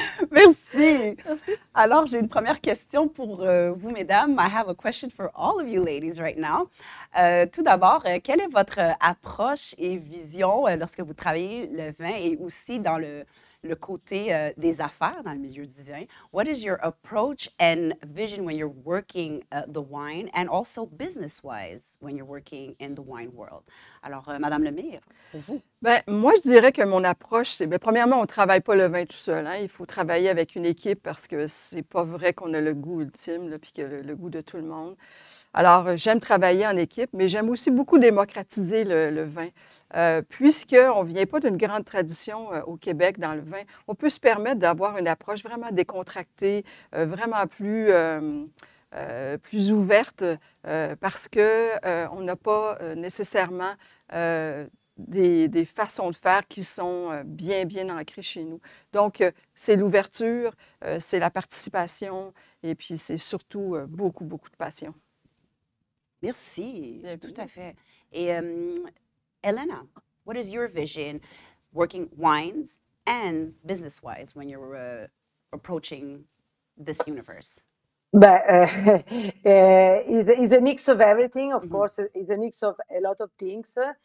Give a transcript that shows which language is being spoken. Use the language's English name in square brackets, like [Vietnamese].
[French] Merci. Merci. Alors, j'ai une première question pour vous, mesdames. [English] I have a question for all of you ladies right now. [French] Tout d'abord, quelle est votre approche et vision lorsque vous travaillez le vin et aussi dans le côté des affaires dans le milieu du vin? [English] What is your approach and vision when you're working the wine and also business-wise when you're working in the wine world? [French] Alors, Madame Lemire, pour vous. Bien, moi, je dirais que mon approche, c'est... Bien, premièrement, on ne travaille pas le vin tout seul. Hein. Il faut travailler avec une équipe parce que ce n'est pas vrai qu'on a le goût ultime là, puis que le goût de tout le monde. Alors, j'aime travailler en équipe, mais j'aime aussi beaucoup démocratiser le vin. Puisqu'on ne vient pas d'une grande tradition au Québec dans le vin, on peut se permettre d'avoir une approche vraiment décontractée, vraiment plus ouverte, parce qu'on n'a pas nécessairement des façons de faire qui sont bien, bien ancrées chez nous. Donc, c'est l'ouverture, c'est la participation, et puis c'est surtout beaucoup, beaucoup de passion. Merci. Tout à fait. Et... [English] Elena, what is your vision working wines and business-wise when you're approaching this universe? But it's a mix of everything, of course. It's a mix of a lot of things.